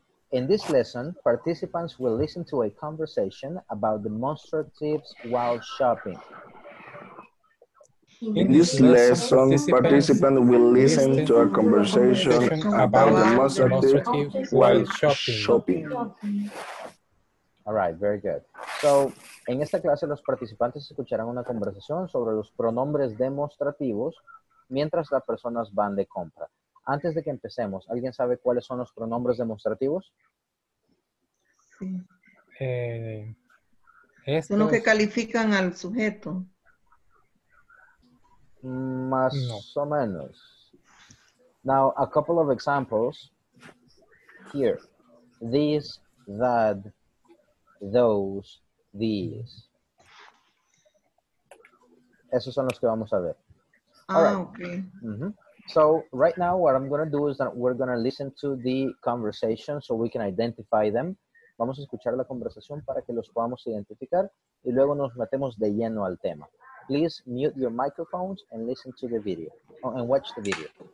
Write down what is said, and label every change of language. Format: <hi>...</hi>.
<en>In this lesson, participants will listen to a conversation about demonstratives while shopping. In this lesson, participants will listen to a conversation about demonstratives while shopping. All right, very good.</en> <es>So, en esta clase, los participantes escucharán una conversación sobre los pronombres demostrativos mientras las personas van de compra. Antes de que empecemos, ¿alguien sabe cuáles son los pronombres demostrativos? Sí. Son los que califican al sujeto. Más o menos.</es> <en>Now, a couple of examples here. These, that, those, these.</en> <es>Esos son los que vamos a ver.</es> <en>All right. Okay. Mm-hmm. So right now what I'm going to do is that we're going to listen to the conversation so we can identify them.</en> <es>Vamos a escuchar la conversación para que los podamos identificar y luego nos metemos de lleno al tema.</es> <en>Please mute your microphones and listen to the video and watch the video.</en>